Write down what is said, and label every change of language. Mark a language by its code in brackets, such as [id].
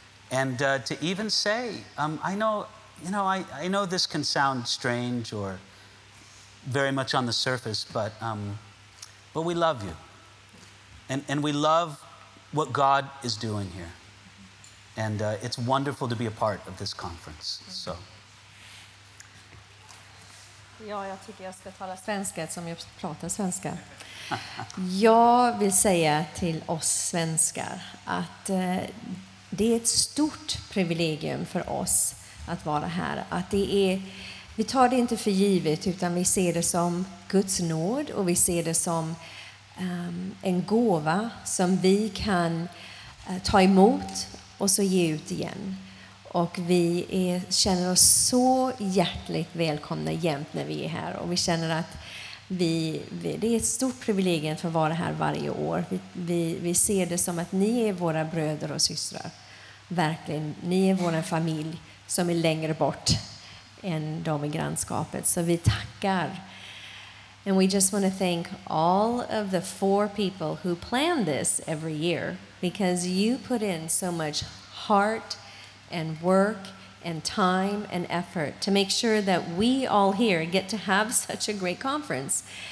[en] And to even say, I know this can sound strange or very much on the surface, but we love you, and we love what God is doing here, and it's wonderful to be a part of this conference. So. [sv] Ja, jag tycker jag ska tala svenska eftersom jag pratar svenska. Jag vill säga till oss svenskar att det är ett stort privilegium för oss att vara här. Att det är, vi tar det inte för givet, utan vi ser det som Guds nåd, och vi ser det som en gåva som vi kan ta emot och så ge ut igen. Och vi är, känner oss så hjärtligt välkomna jämt när vi är här. Och vi känner att det är ett stort privilegium för att vara här varje år. Vi ser det som att ni är våra bröder och systrar. Verkligen, ni är vår familj som är längre bort än de i grannskapet. Så vi tackar. [en] And we just want to thank all of the four people who plan this every year. Because you put in so much heart and work and time and effort to make sure that we all here get to have such a great conference.